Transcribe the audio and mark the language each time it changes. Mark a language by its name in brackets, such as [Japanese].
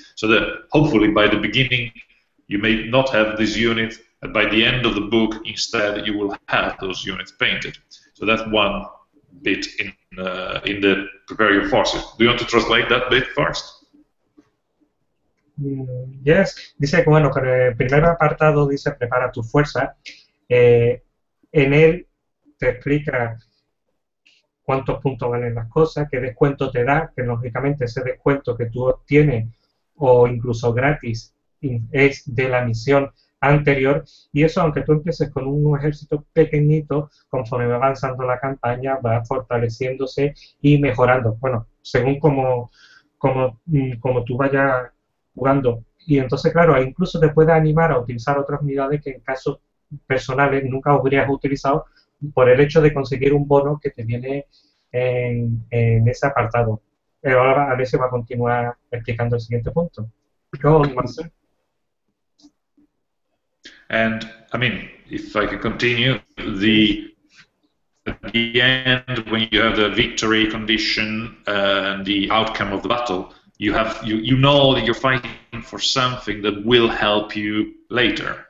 [English] So that hopefully by the beginning you may not have this unit, and by the end of the book instead you will have those units painted. So that's one bit in the prepare your forces. Do you want to translate that bit first? [Spanish] Yes, dice que bueno, con el primer apartado dice prepara tu fuerza, en él te explica cuántos puntos valen las cosas, qué descuento te da, que lógicamente ese descuento que tú obtienes o incluso gratis es de la misión anterior, y eso aunque tú empieces con un ejército pequeñito, conforme va avanzando la campaña va fortaleciéndose y mejorando, bueno, según como tú vayas jugando. Y entonces, claro, incluso te puede animar a utilizar otras unidades que en casos personales nunca habrías utilizado por el hecho de conseguir un bono que te viene en ese apartado. Pero ahora a veces va a continuar explicando el siguiente punto. [English] Go on, Marcel. And, I mean, if I could continue, the end, when you have the victory condition and the outcome of the battle, you know that you're fighting for something that will help you later.